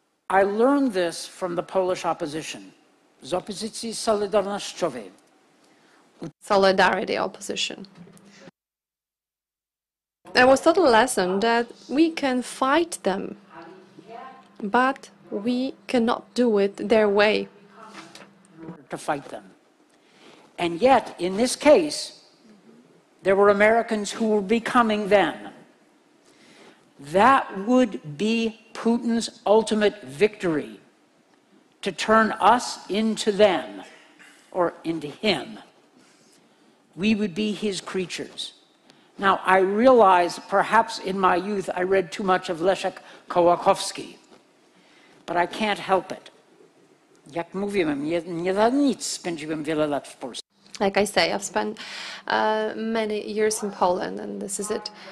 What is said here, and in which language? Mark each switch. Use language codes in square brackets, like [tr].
[en] I learned this from the Polish opposition. [pl] Z opozycji solidarnościowej. [en] Solidarity opposition. I was taught a lesson that we can fight them, but we cannot do it their way. To fight them. And yet, in this case, there were Americans who were becoming them. That would be Putin's ultimate victory, to turn us into them, or into him. We would be his creatures. Now, I realize, perhaps in my youth, I read too much of Leszek Kołakowski, but I can't help it. [pl] Jak mówiłem, nie za nic spędziłem wiele lat w Polsce. [en] Like I say, I've spent many years in Poland, and this is it.